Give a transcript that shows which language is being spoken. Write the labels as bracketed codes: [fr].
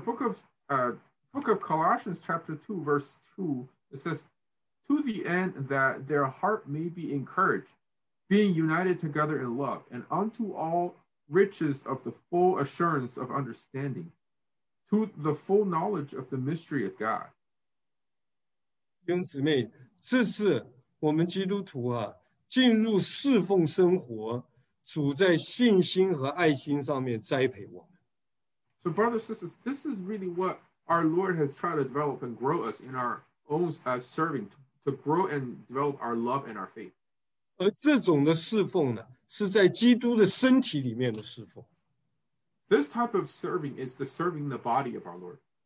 [en] book of Colossians chapter 2 verse 2, it says, to the end that their heart may be encouraged, being united together in love, and unto all riches of the full assurance of understanding, to the full knowledge of the mystery of God. [zh] 弟兄姊妹, 这是我们基督徒啊, 进入侍奉生活, 主在信心和爱心上面栽培我们。 [en] So brothers and sisters, this is really what our Lord has tried to develop and grow us in our own serving, to grow and develop our love and our faith. [zh] 而这种的侍奉呢, 是在基督的身体里面的侍奉。 [en] This type of serving is the serving the body of our Lord.